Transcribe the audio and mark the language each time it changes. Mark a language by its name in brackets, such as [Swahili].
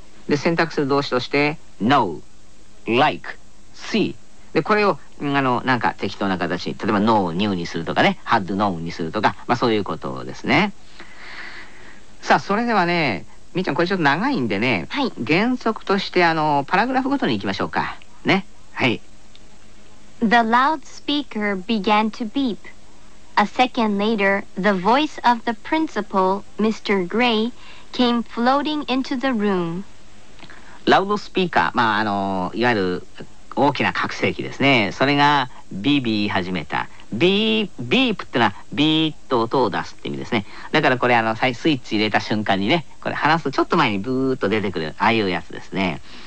[Japanese] で選択する動詞として Know、 Like、 See で、これをなんか適当な形に、例えば know new にするとかね、 had known にするとか、そういうことですね。さあそれではね、みーちゃん、これちょっと長いんでね、はい、原則としてパラグラフごとにいきましょうかね。はい。 [English] The loudspeaker began to beep. A second later, the voice of the principal, Mr. Gray, came floating into the room. [Japanese] ラウドスピーカー、いわゆる大きな拡声器ですね。それがビービー始めた。ビープってのはビーッと音を出すって意味ですね。だからこれスイッチ入れた瞬間にね、これ話すちょっと前にブーッと出てくる、ああいうやつですね。